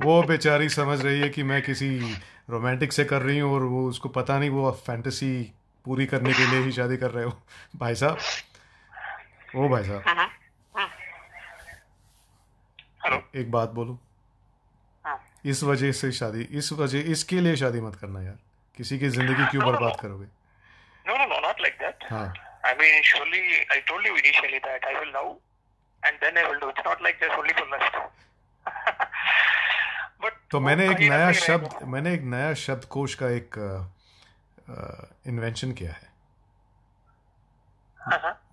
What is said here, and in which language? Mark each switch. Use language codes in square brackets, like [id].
[hi] वो बेचारी समझ रही है कि मैं किसी रोमांटिक से कर रही हूँ और वो, उसको पता नहीं वो फैंटेसी पूरी करने के लिए ही शादी कर रहे हो। भाई साहब, ओ भाई साहब, एक बात बोलूं, इस वजह से शादी, इस वजह, इसके लिए शादी मत करना यार, किसी की जिंदगी क्यों बर्बाद करोगे? [en] No, not like that. हाँ, I mean, surely, I told you initially that I will love and then I will do. It's not like there's only for lust. [hi] But तो मैंने एक नया शब्द, मैंने एक नया शब्दकोश का एक इन्वेंशन किया है।